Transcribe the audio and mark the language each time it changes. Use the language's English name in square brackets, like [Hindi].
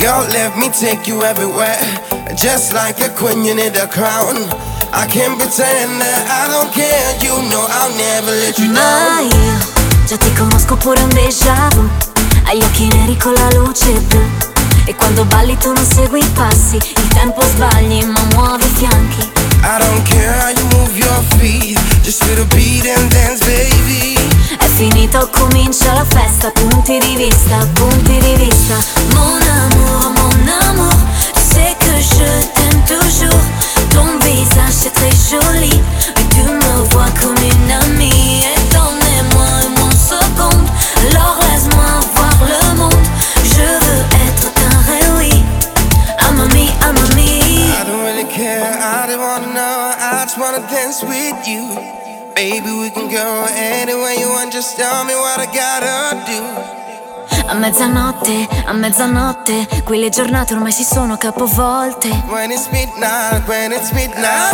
[English] Let me take you everywhere, just like a queen, you need a crown. I can't pretend that I don't care, you know I'll never let you down. [Italian] Ma io già ti conosco pure un déjà vu. Hai occhi neri con la luce blu. E quando balli tu non segui i passi. Il tempo sbagli ma muovi i fianchi. [English] I don't care how you move your feet. Just feel the beat and dance, baby. [Italian] È finito, comincia la festa. Punti di vista, punti di vista. [French] Mon amour, mon amour. Tu sais que je t'aime toujours. Ton visage est très joli. Mais tu me vois comme une amie. Et donnez-moi mon second. Alors laisse-moi voir le monde. Je veux être un réel. [English] I'm a me, I'm a me. I don't really care, I don't wanna know. I just wanna dance with you. Baby, we can go anywhere you want. Just tell me what I gotta do. [Italian] A mezzanotte, a mezzanotte. Qui le giornate ormai si sono capovolte. [English] When it's midnight, when it's midnight.